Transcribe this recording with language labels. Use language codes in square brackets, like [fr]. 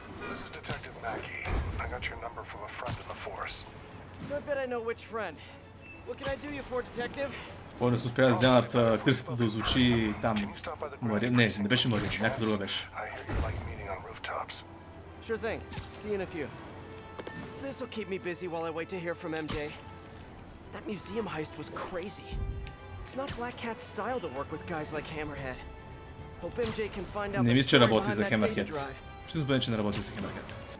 [en] This is Detective Mackey. I got your number from a friend in the force. I bet I know which friend. What can I do you for, Detective? [bg] Oh, не се успя да вземат актрисата да звучи там. Мария? Не, не беше Мария. Някаква друга беше. [en] I hear you like meeting on rooftops. Sure thing. See you in a few. This will keep me busy while I wait to hear from MJ. That museum heist was crazy. It's not Black Cat's style to work with guys like Hammerhead. Hope MJ can find out. [bg] Не мисля, че работи за Hammerhead. Ще забъде, че не работи за Hammerhead.